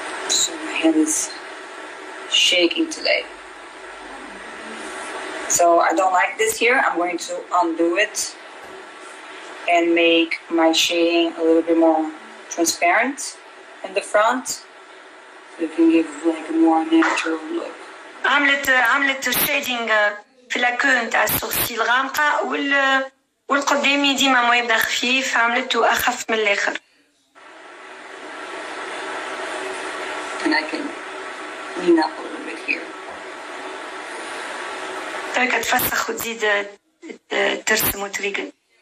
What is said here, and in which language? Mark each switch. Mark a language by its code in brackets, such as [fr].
[en] So my hand is shaking today. So I don't like this here. I'm going to undo it and make my shading a little bit more transparent in the front. So it can give like a more natural look. [ar] عملت shading في لاكون تاع السورسيل غامقه والقدامي ديما ما يبدا خفيف عملته اخف من الاخر. [en] And I can lean up a little bit here. [ar] هكا تفسخ وتزيد ترسم وتريقل.